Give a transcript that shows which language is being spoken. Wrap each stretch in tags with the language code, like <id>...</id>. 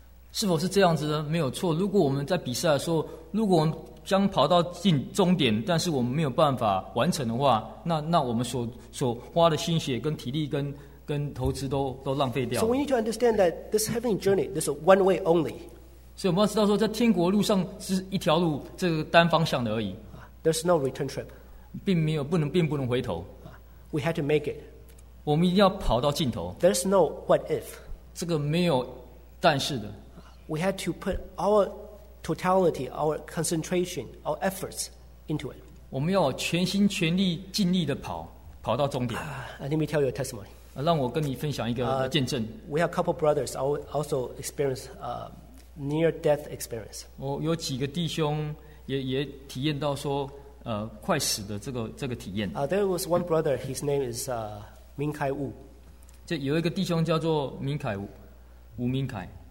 <zh>是否是这样子呢？没有错。如果我们在比赛的时候，如果我们将跑到进终点，但是我们没有办法完成的话，那我们所花的心血跟体力跟投资都浪费掉了。</zh> <en>So we need to understand that this heavenly journey is one way only.</en> <zh>所以我们要知道说，在天国路上是一条路，这个单方向的而已。</zh> <en>There's no return trip.</en> <zh>并不能回头。</zh> <en>We had to make it.</en> <zh>我们一定要跑到尽头。</zh> <en>There's no what if.</en> <zh>这个没有但是的。</zh> <en>We had to put our totality, our concentration, our efforts into it.</en> <zh>我们要全心全力尽力的跑到终点。</zh> <en>Let me tell you a testimony.</en> <zh>让我跟你分享一个见证。</zh> <en>We have a couple brothers also experienced a near-death experience.</en> <zh>我有几个弟兄也体验到说快死的这个体验。</zh> <en>There was one brother, his name is Ming Kai Wu.</en> <zh>就有一个弟兄叫做明凯吴，吴明凯。</zh>